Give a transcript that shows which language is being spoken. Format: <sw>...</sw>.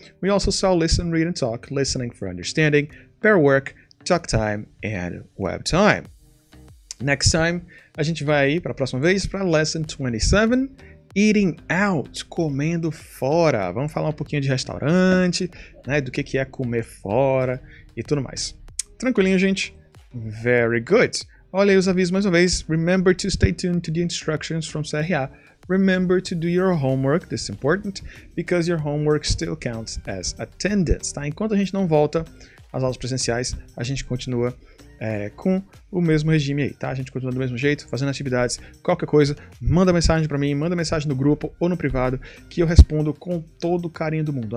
<en>We also saw Listen, Read, and Talk, Listening for Understanding, Pair Work, Talk Time, and Web Time. Next time,</en> <pt>a gente vai aí para a próxima vez para Lesson 27,</pt> <en>Eating Out,</en> <pt>comendo fora. Vamos falar um pouquinho de restaurante, né, do que é comer fora e tudo mais. Tranquilinho, gente?</pt> <en>Very good.</en> <pt>Olha aí os avisos mais uma vez.</pt> <en>Remember to stay tuned to the instructions from CRA. Remember to do your homework, this is important, because your homework still counts as attendance. Tá?</en> <pt>Enquanto a gente não volta às aulas presenciais, a gente continua com o mesmo regime aí, tá? A gente continua do mesmo jeito, fazendo atividades, qualquer coisa, manda mensagem pra mim, manda mensagem no grupo ou no privado, que eu respondo com todo o carinho do mundo.</pt>